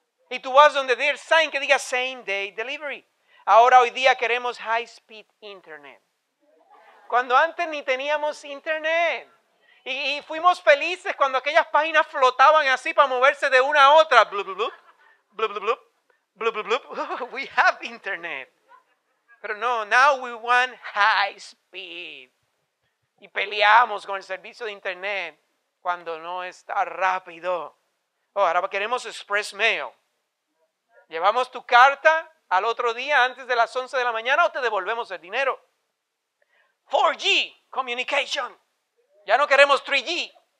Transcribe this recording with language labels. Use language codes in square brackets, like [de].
[es] Y tú vas donde dice el sign que diga [en] same day delivery. [es] Ahora hoy día queremos [en] high speed internet. [es] Cuando antes ni teníamos internet. Y fuimos felices cuando aquellas páginas flotaban así para moverse de una a otra. Blub, blub, blub, blub, blub, blub, blub, blub, blub. [en] We have internet. [es] Pero no, [en] now we want high speed. [es] Y peleamos con el servicio de internet cuando no está rápido. Oh, ahora queremos express mail. ¿Llevamos tu carta al otro día antes de las 11 de la mañana o te devolvemos el dinero? 4G communication. Ya no queremos 3G.